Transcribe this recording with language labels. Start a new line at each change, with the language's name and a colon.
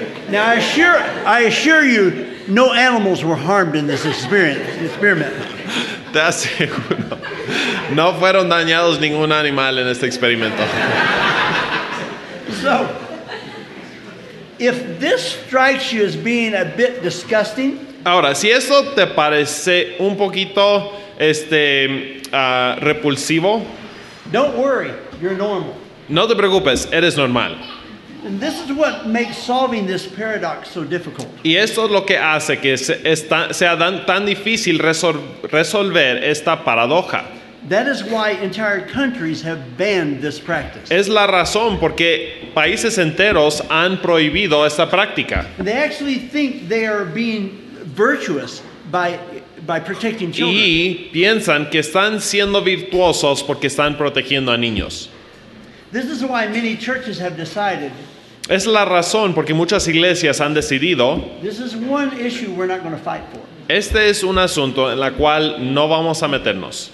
English: Now I assure you, no animals were harmed in this experiment.
Spanish: Te aseguro. No fueron dañados ningún animal en este experimento.
English: So, if this strikes you as being a bit disgusting.
Spanish: Ahora, si eso te parece un poquito repulsivo.
English: Don't worry, you're normal.
Spanish: No te preocupes, eres normal.
English: And this is what makes solving this paradox so difficult.
Spanish: Y esto es lo que hace que sea tan difícil resolver esta paradoja.
English: That is why entire countries have banned this practice.
Spanish: Es la razón porque países enteros han prohibido esta práctica.
English: And they actually think they are being virtuous by protecting children.
Spanish: Y piensan que están siendo virtuosos porque están protegiendo a niños.
English: This is why many churches have decided.
Spanish: Es la razón porque muchas iglesias han decidido.
English: This is one issue we're not going to fight for.
Spanish: Este es un asunto en la cual no vamos a meternos.